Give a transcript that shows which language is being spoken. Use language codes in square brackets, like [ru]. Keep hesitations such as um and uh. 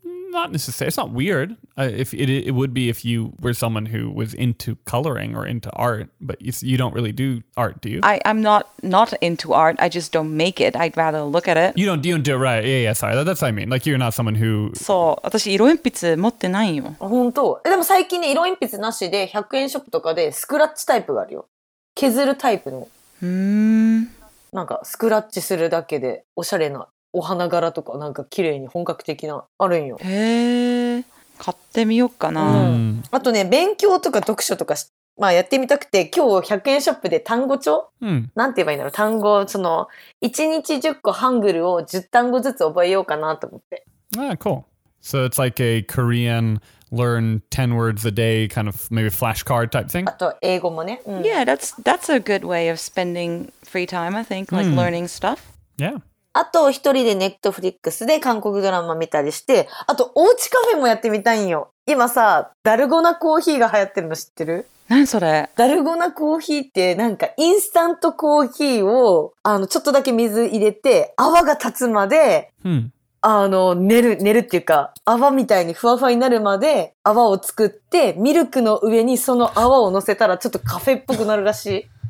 [en] not necessarily. It's not weird. Uh, if it it would be if you were someone who was into coloring or into art, but you, you don't really do art, do you? I am not not into art. I just don't make it. I'd rather look at it. You don't you don't do it, right? Yeah, yeah. Sorry, that, that's what I mean. Like you're not someone who. So, I [ja] 色鉛筆持ってないよ。本当。でも最近ね色鉛筆なしで100円ショップとかでスクラッチタイプがあるよ。削るタイプの。うん。なんかスクラッチするだけでおしゃれな。お花柄とかなんか綺麗に本格的なあるんよ。へえ買ってみようかな、うん、あとね勉強とか読書とか、まあ、やってみたくて今日100円ショップで単語帳、うん、なんて言えばいいんだろう単語その1日10個ハングルを10単語ずつ覚えようかなと思って。 [en] ああ、cool. So it's like a Korean learn 10 words a day kind of maybe flashcard type thing? Mm. Yeah, that's that's a good way of spending free time, I think, like mm. learning stuff. Yeah. [ja] あと一人でネットフリックスで韓国ドラマ見たりして、あとおうちカフェもやってみたいんよ。今さ、ダルゴナコーヒーが流行ってるの知ってる何それダルゴナコーヒーってなんかインスタントコーヒーを、あの、ちょっとだけ水入れて泡が立つまで、うん、あの、寝る、寝るっていうか、泡みたいにふわふわになるまで泡を作って、ミルクの上にその泡を乗せたらちょっとカフェっぽくなるらしい。